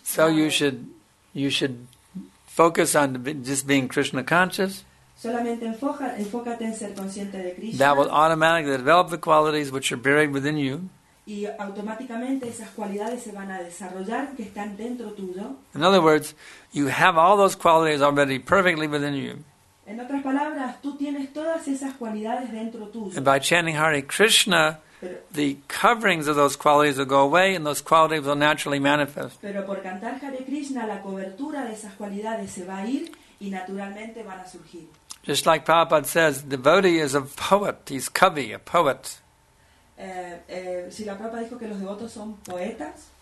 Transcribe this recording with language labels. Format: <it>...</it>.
<en>So you should focus on just being Krishna conscious.</en> <es>Solamente enfócate en ser consciente de Krishna.</es> <en>That will automatically develop the qualities which are buried within you.</en> <es>Y automáticamente esas cualidades se van a desarrollar que están dentro tuyo.</es> <en>In other words, you have all those qualities already perfectly within you.</en> <es>En otras palabras, tú tienes todas esas cualidades dentro tuyo.</es> <en>And by chanting Hare Krishna, the coverings of those qualities will go away and those qualities will naturally manifest.</en> <es>Pero por cantar Hare Krishna, la cobertura de esas cualidades se va a ir y naturalmente van a surgir.</es> <en>Just like Prabhupada says, the devotee is a poet. He's kavi, a poet.</en> <es>Si la Prabhupada dijo que los devotos son poetas.</es>